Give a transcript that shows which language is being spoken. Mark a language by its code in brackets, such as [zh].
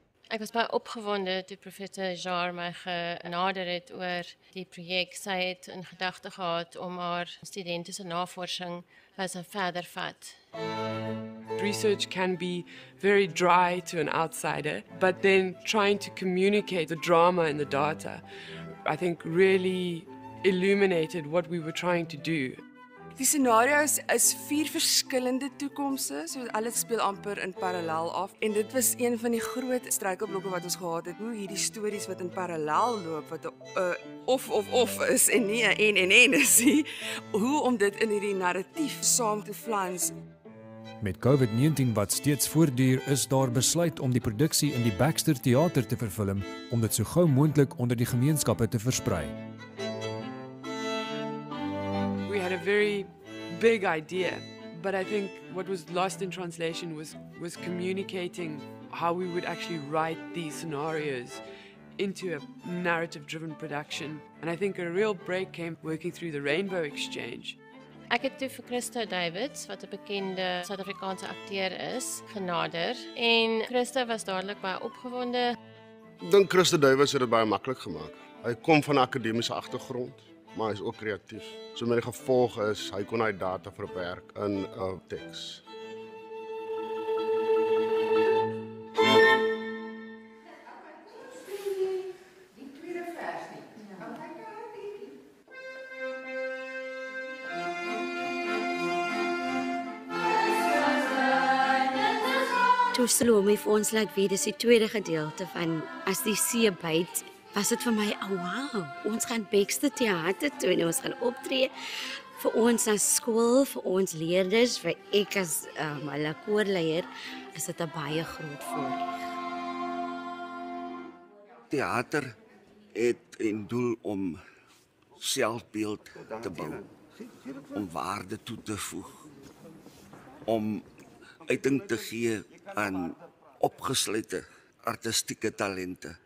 [af] Ek was baie opgewonde toe Professor Jaar my genader het oor die projek. Sy het in gedagte gehad om haar studentiese navorsing as 'n verder vat. [en] Research can be very dry to an outsider, but then trying to communicate the drama in the data, I think really illuminated what we were trying to do. [af] Die scenario's is vier verskillende toekomste, so alles speel amper in parallel af. En dit was een van die groot struikelblokke wat ons gehad het, hoe hierdie stories wat in parallel loop, wat of is en nie en is nie, hoe om dit in hierdie narratief saam te flans. Met COVID-19 wat steeds voortduur, is daar besluit om die produksie in die Baxter Theater te vervilm, om dit so gauw moontlik onder die gemeenskappe te versprei. [en] A very big idea, but I think what was lost in translation was communicating how we would actually write these scenarios into a narrative driven production. And I think a real break came working through the Rainbow Exchange. [af] Ek het toe vir Christo Davids, wat 'n bekende Suid-Afrikaanse akteur is, genader, en Christo was dadelik baie opgewonde. Ek dink Christo Davids het dit baie maklik gemaak. Hy kom van 'n akademiese agtergrond, maar hy is ook kreatief. So met die gevolg is, hy kon hy data verwerk in 'n teks. Toe Salome vir ons laat weet, dis die tweede gedeelte van As die See Byt, was dit vir my, oh wow, ons gaan Baxter Theater toe en ons gaan optree. vir ons as skool, vir ons leerders, vir ek as hulle koorleier, is dit 'n baie groot voorreg. Theater het in doel om selfbeeld te bou, om waarde toe te voeg, om uiting te gee aan opgeslote artistieke talente.